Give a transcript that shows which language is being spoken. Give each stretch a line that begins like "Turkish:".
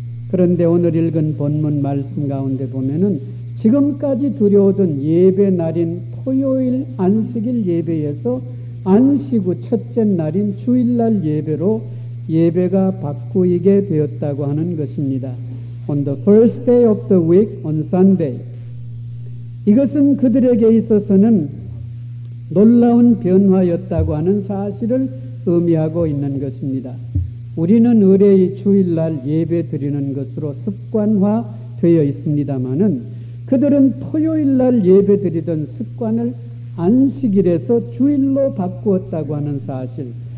Korean: 그런데 오늘 읽은 본문 말씀 가운데 보면은 지금까지 드려오던 예배 날인 토요일 안식일 예배에서 안식 후 첫째 날인 주일날 예배로 예배가 바꾸이게 되었다고 하는 것입니다.
English: On the first day of the week, on Sunday.
Korean: 이것은 그들에게 있어서는 놀라운 변화였다고 하는 사실을 의미하고 있는 것입니다. 우리는 의례의 주일날 예배 드리는 것으로 습관화 되어 있습니다만은 그들은 토요일날 예배 드리던 습관을 안식일에서 주일로 바꾸었다고 하는 사실.